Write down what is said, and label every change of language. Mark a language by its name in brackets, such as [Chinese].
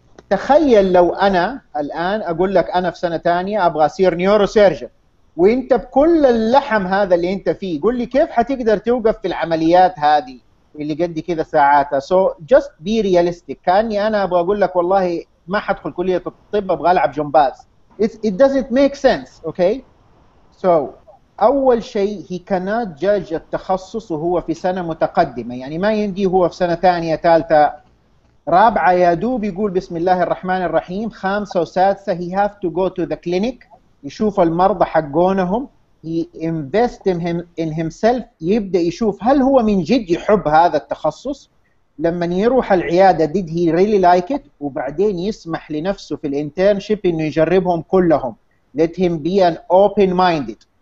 [Arabic] تخيل لو انا الان اقول لك انا في سنه ثانيه ابغى اصير نيورو سيرجن، وانت بكل اللحم هذا اللي انت فيه قل لي كيف حتقدر توقف في العمليات هذه اللي قدي كذا ساعاتها؟ [English] so just be realistic, [Arabic] كاني انا ابغى اقول لك والله ما حدخل كليه الطب، ابغى العب جمباز. [English] It doesn't make sense, okay? [Arabic] So أول شيء [English] he cannot judge [Arabic] التخصص وهو في سنة متقدمة، يعني ما يندي هو في سنة ثانية ثالثة رابعة يا دوب يقول بسم الله الرحمن الرحيم، خامسة وسادسة [English] he have to go to the clinic [Arabic] يشوف المرضى حقونهم، [English] he invest in himself، [Arabic] يبدأ يشوف هل هو من جد يحب هذا التخصص، لما يروح العيادة [English] did he really like it، [Arabic] وبعدين يسمح لنفسه في الانترنشيب انه يجربهم كلهم، [English] let him be an open minded.